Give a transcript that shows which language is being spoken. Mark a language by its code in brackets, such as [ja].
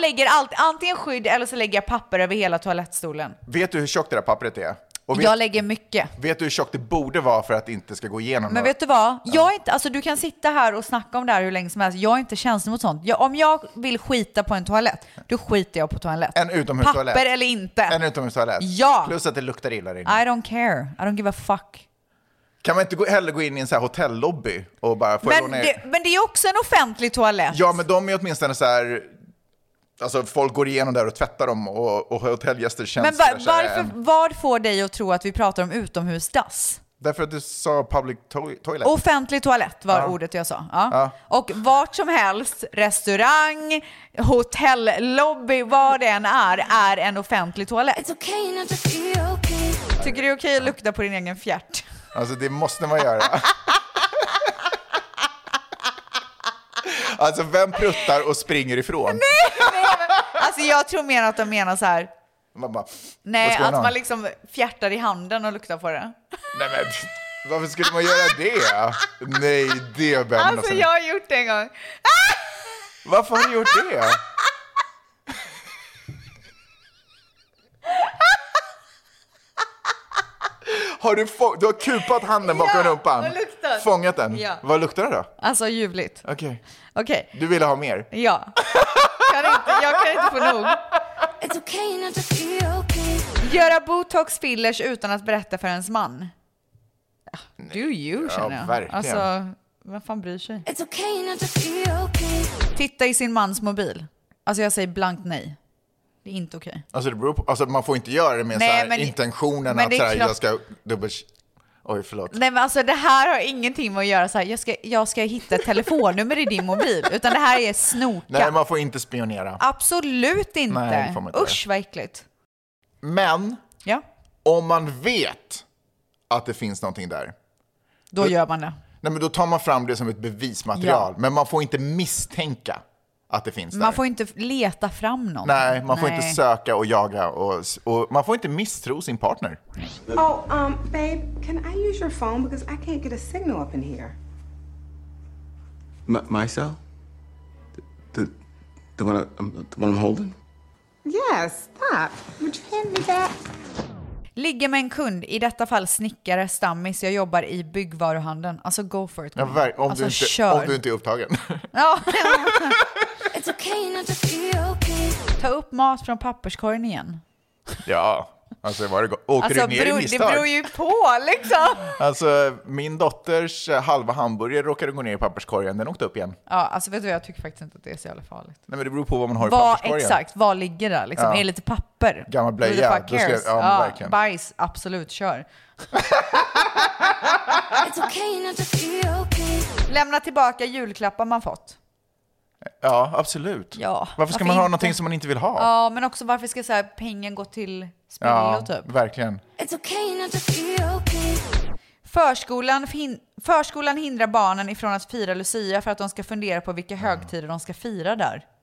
[sv] lägger allt, antingen skydd eller så lägger jag papper över hela toalettstolen. Vet du hur tjockt det där pappret är? Vet, jag lägger mycket. Vet du hur tjockt det borde vara för att inte ska gå igenom? Men vet du vad? Jag är inte, alltså du kan sitta här och snacka om det här hur länge som helst. Jag är inte känslig mot sånt. Om jag vill skita på en toalett, då skiter jag på toalett. En utomhustoalett. Papper eller inte. En utomhustoalett. Ja. Plus att det luktar illa inne. [en] I don't care. I don't give a fuck. [sv] Kan man inte heller gå in i en så här hotellobby och bara få men, ner? Men det är också en offentlig toalett. Ja, men de är åtminstone så här... Alltså folk går igenom där och tvättar dem och hotellgäster känns... Men varför, vad får dig att tro att vi pratar om utomhusdass? Därför att du sa [en] public toilet. [sv] Offentlig toalett var ordet jag sa. Ja. Ja. Och vart som helst, restaurang, hotellobby, vad det än är en offentlig toalett. [en] It's okay not to feel okay. [sv] Tycker du det är okej att lukta på din egen fjärt? Alltså det måste man göra. Alltså vem pruttar och springer ifrån? Nej, nej. Alltså jag tror mer att de menar så här. Mamma, nej, att man liksom fjärtar i handen och luktar på det. Nej men varför skulle man göra det? Nej, det är Ben. Alltså jag har gjort det en gång. Varför har du gjort det? Har du har kupat handen bakom rumpan. Fångat den. Ja. Vad luktar det då? Alltså ljuvligt. Okej. Okay. Okej. Okay. Du ville ha mer. Ja. Jag kan inte få nog. [en] It's okay not to feel okay. [sv] Göra botox fillers utan att berätta för ens man. Nej. [en] Do you, [sv] känner jag. Ja, verkligen. Alltså, vem fan bryr sig? [en] It's okay not to feel okay. [sv] Titta i sin mans mobil. Alltså jag säger blankt nej. Det är inte okej. Alltså det beror på, alltså man får inte göra det med intentionen att såhär, jag ska dubbel... Oj, förlåt. Nej, men alltså det här har ingenting med att göra såhär, jag ska hitta telefonnummer i din mobil, utan det här är snoka. Nej, man får inte spionera. Absolut inte. Nej, det får man inte. Usch, vad äckligt. Men, ja? Om man vet att det finns någonting där. Då gör man det. Nej, men då tar man fram det som ett bevismaterial. Ja. Men man får inte misstänka att det finns där. Man får inte leta fram någon. Nej, man får inte söka och jaga och man får inte misstro sin partner. [en] Oh, babe, can I use your phone because I can't get a signal up in here. My cell? The one I'm holding? Yes, that. Would you hand me that? [sv] Ligger med en kund, i detta fall snickare, stammis, jag jobbar i byggvaruhandeln. Alltså go for it. Ja, om du inte är upptagen. Ja. [en] It's okay not to feel okay. [sv] Ta upp mat från papperskorgen igen. Ja, alltså var det åker alltså, ner i misstag? Det beror ju på liksom. Alltså min dotters halva hamburgare råkade gå ner i papperskorgen, den åkte upp igen. Ja, alltså vet du, jag tycker faktiskt inte att det är så jävla farligt. Nej, men det beror på vad man har i papperskorgen. Exakt, vad ligger där liksom? Ja. Är lite papper? Gammal blöja, ja, bajs, absolut, kör. [en] It's okay not to feel okay. [sv] Lämna tillbaka julklappar man fått. Ja, absolut. Ja, varför ska man ha någonting som man inte vill ha? Ja, men också varför ska så här pengen gå till spillo, ja, typ? Verkligen. [en] It's okay not to feel okay. [sv] Förskolan hindrar barnen ifrån att fira Lucia för att de ska fundera på vilka högtider de ska fira där.